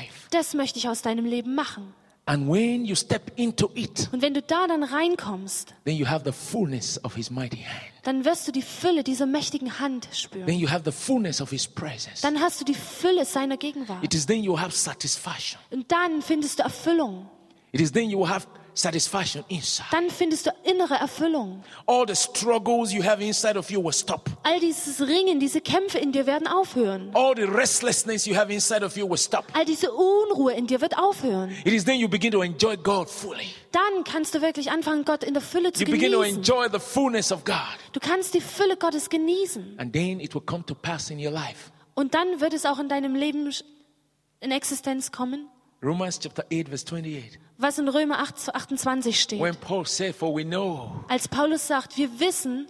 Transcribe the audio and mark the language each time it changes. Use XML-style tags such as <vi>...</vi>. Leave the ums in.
<de>Das möchte ich aus deinem Leben machen.</de> <en>And when you step into it,</en> <de>und wenn du da dann reinkommst,</de> <en>then you have the fullness of his mighty hand.</en> <de>Dann wirst du die Fülle dieser mächtigen Hand spüren.</de> <en>Then you have the fullness of his presence.</en> <de>Dann hast du die Fülle seiner Gegenwart.</de> <en>It is then you have satisfaction.</en> <de>Und dann findest du Erfüllung.</de> <en>It is then you have satisfaction inside.</en> <de>Then, findest du innerer Erfüllung.</de> <en>All the struggles you have inside of you will stop.</en> <de>All dieses Ringen, diese Kämpfe in dir werden aufhören.</de> <en>All the restlessness you have inside of you will stop.</en> <de>All diese Unruhe in dir wird aufhören.</de> <en>It is then you begin to enjoy God fully.</en> <de>Dann kannst du wirklich anfangen, Gott in der Fülle zu</de> <en>you begin To enjoy the fullness of God.</en> <de>Du kannst die Fülle Gottes genießen.</de> <en>And then it will come to pass in your life.</en> <de>Und dann wird es auch in deinem Leben in Existenz kommen.</de> <en>Romans chapter 8 verse 28.</en> <de>was in Römer 8, 28 steht.</de> <en>Paul said, know,</en> <de>als Paulus sagt, wir wissen,</de>